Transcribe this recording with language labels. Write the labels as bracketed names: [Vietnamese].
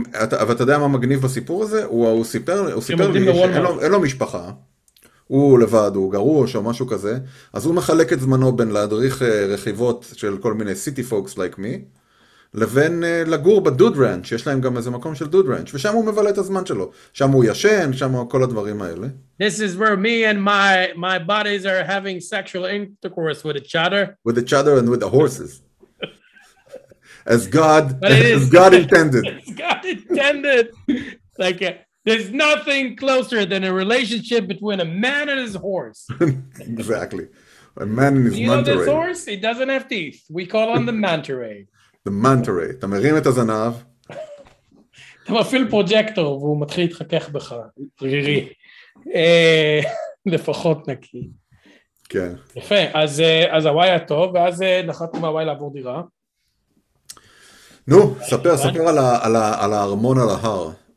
[Hebrew] אבל אתה יודע מה מגניב בסיפור הזה? הוא סיפר לי שאין לו משפחה, הוא לבד, הוא גרוש או משהו כזה, אז הוא מחלק את זמנו בין להדריך רכיבות של כל מיני [English] סיטי פוקס לייק מי, [Hebrew] לבין לגור בדוד רנץ', יש להם גם איזה מקום של דוד רנץ', ושם הוא מבלה את הזמן שלו. שם הוא ישן, שם כל הדברים האלה. [English] This is where me and my bodies are having sexual intercourse with each other. With each other and with the horses. As God intended. As God intended. Like, there's nothing closer than a relationship between a man and his horse. Exactly. A man and his manta ray. You know this horse? It doesn't have teeth. We call him the manta ray. The manta ray. [Hebrew] אתה מרים את הזנב. אתה מפעיל פרוג'קטור והוא מתחיל להתחכך בך. רירי. לפחות נקי. כן. יפה. אז הוואי היה טוב, ואז נחלתי מהוואי לעבור דירה. נו, ספר על הארמון על ההר.